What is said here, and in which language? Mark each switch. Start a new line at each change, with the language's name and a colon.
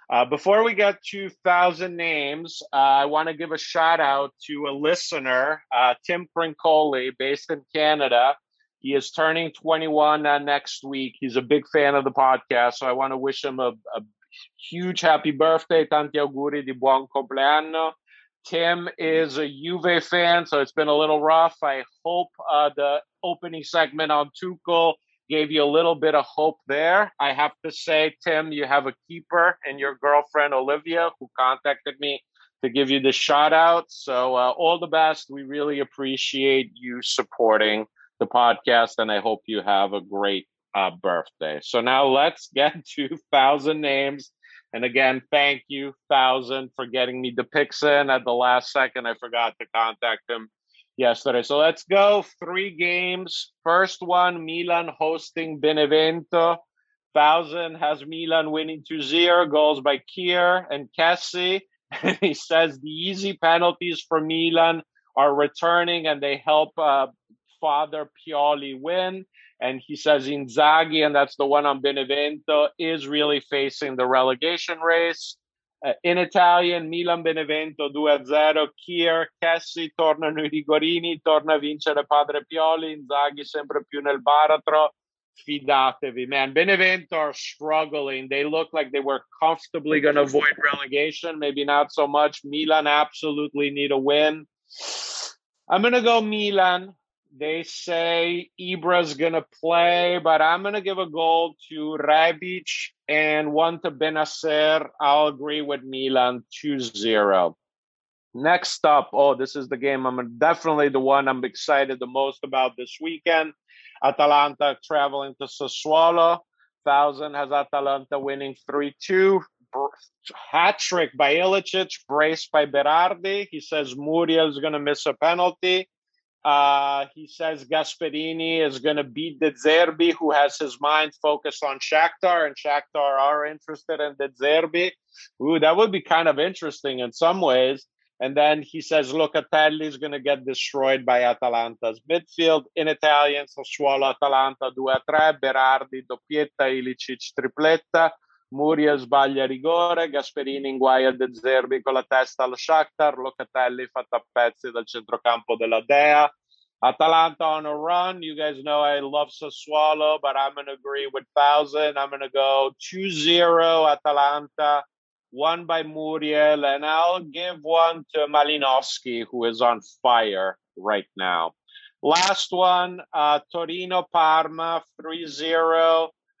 English: Before we get 2,000 names, I want to give a shout-out to a listener, Tim Princoli, based in Canada. He is turning 21 next week. He's a big fan of the podcast, so I want to wish him a huge happy birthday.
Italian: Tanti auguri di buon compleanno.
English: Tim is a Juve fan, so it's been a little rough. I hope the opening segment on Tuchel gave you a little bit of hope there. I have to say, Tim, you have a keeper in your girlfriend, Olivia, who contacted me to give you the shout out. So all the best. We really appreciate you supporting the podcast, and I hope you have a great birthday. So now let's get 2,000 names. And again, thank you, Thousand, for getting me the picks in at the last second. I forgot to contact him yesterday. So let's go. Three games. First one, Milan hosting Benevento. Thousand has Milan winning 2-0. Goals by Kier and Kessie. And he says the easy penalties for Milan are returning and they help Father Pioli win. And he says Inzaghi, and that's the one on Benevento, is really facing the relegation race. In Italian, Milan-Benevento 2-0.
Italian: Kier, Kessie, tornano i rigorini, torna a vincere Padre Pioli. Inzaghi sempre più nel baratro. fidatevi,
English: man. Benevento are struggling. They look like they were comfortably going to avoid relegation. Maybe not so much. Milan absolutely need a win. I'm going to go Milan. They say Ibra's going to play, but I'm going to give a goal to Rebic and one to Bennacer. I'll agree with Milan, 2-0. Next up, oh, this is the game I'm definitely the one I'm excited the most about this weekend. Atalanta traveling to Sassuolo. Thousand has Atalanta winning 3-2. Hat trick by Ilicic, braced by Berardi. He says Muriel's going to miss a penalty. He says Gasperini is going to beat De Zerbi, who has his mind focused on Shakhtar, and Shakhtar are interested in De Zerbi. Ooh, that would be kind of interesting in some ways. And then he says Locatelli is going to get destroyed by Atalanta's midfield. In Italian,
Italian: Sassuolo, Atalanta 2-3, Berardi, doppietta, Ilicic, tripletta, Muriel sbaglia rigore, Gasperini inguaia De Zerbi con la testa allo Shakhtar, Locatelli fatta a pezzi dal centrocampo della Dea.
English: Atalanta on a run. You guys know I love Sassuolo, but I'm going to agree with Thousand. I'm going to go 2-0 Atalanta, one by Muriel, and I'll give one to Malinowski, who is on fire right now. Last one, Torino-Parma, 3-0.